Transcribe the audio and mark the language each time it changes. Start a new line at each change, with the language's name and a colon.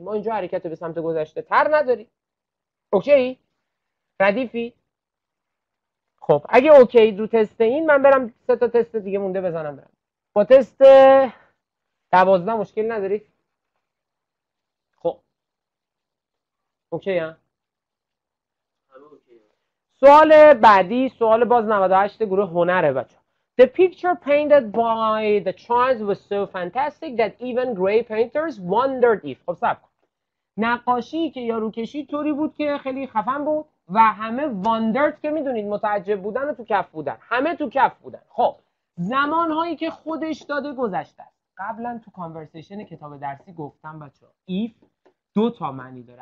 Persian: ما اینجا حرکت به سمت گذشته تر نداری. اوکی؟ ردیفی؟ خب اگه اوکی دو تست این، من برم سه تا تست دیگه مونده بزنم برم. با تست 12 مشکل نداری؟ اوکی ها؟ سوال بعدی، سوال باز 98 گروه هنره بچه.
English: The picture painted by the child was so fantastic that even grey painters wondered if.
Persian: خب سب کن. نقاشی که یارو کشید طوری بود که خیلی خفن بود و همه wondered که میدونید متعجب بودن و تو کف بودن. همه تو کف بودن. خب زمانهایی که خودش داده گذشته. قبلا تو کانورسیشن کتاب درسی گفتم بچه if دو تا معنی داره.